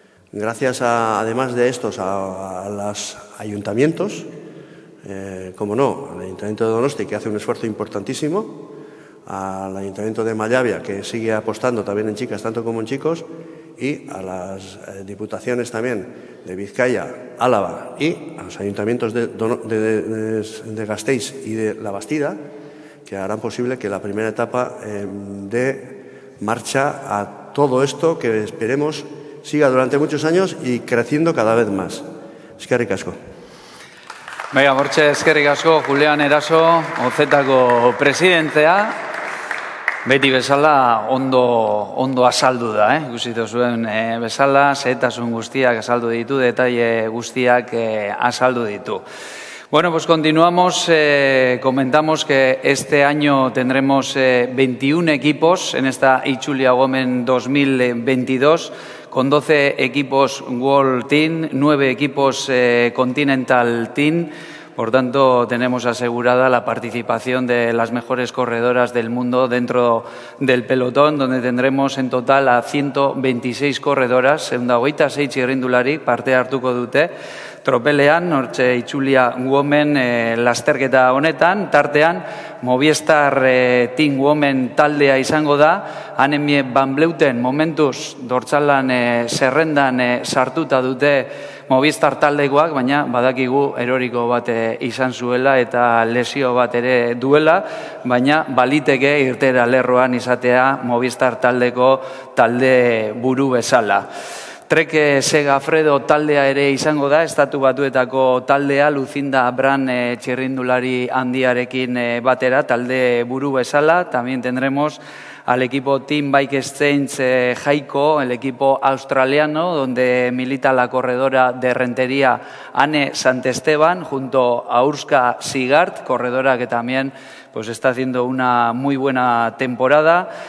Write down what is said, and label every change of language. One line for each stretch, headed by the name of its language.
Spanish: Gracias, además de estos, a los ayuntamientos, como no, al Ayuntamiento de Donosti, que hace un esfuerzo importantísimo, al Ayuntamiento de Mallabia, que sigue apostando también en chicas tanto como en chicos, y a las diputaciones también de Vizcaya, Álava, y a los ayuntamientos de Gasteiz y de Labastida, que harán posible que la primera etapa dé marcha a todo esto, que esperemos siga durante muchos años y creciendo cada vez más.
Basque: Eskerrik asko. Venga, Mortxe, eskerrik asko. Julián Eraso, OZ-ako presidentea. Beti bezala ondo azaldu da, ikusiko zuen bezala, zehetasun guztiak azaldu ditu, detaile guztiak azaldu ditu.
Spanish: Bueno, pues continuamos, comentamos que este año tendremos 21 equipos en esta Itzulia Women 2022, con 12 equipos World Team, 9 equipos Continental Team. Por tanto, tenemos asegurada la participación de las mejores corredoras del mundo dentro del pelotón, donde tendremos en total a 126 corredoras,
Basque: 126 txirrindulari parte hartuko dute. Tropelean, hortxe Itzulia Women lasterketa honetan, tartean Movistar Team Women taldea izango da, Anemie Van Bleuten momentuz dortzalan zerrendan sartuta dute Movistar taldekoak, baina badakigu eroriko bat izan zuela eta lesio bat ere duela, baina baliteke irtera lerroan izatea Movistar taldeko talde buru bezala. Treke Segafredo taldea ere izango da, Estatu Batuetako taldea, Lucinda Bran txirrindulari handiarekin batera, talde buru bezala.
Spanish: También tendremos al equipo Team Bike Exchange Jaico, el equipo australiano, donde milita la corredora de Rentería Anne Santesteban, junto a Urska Sigart, corredora que también pues está haciendo una muy buena temporada.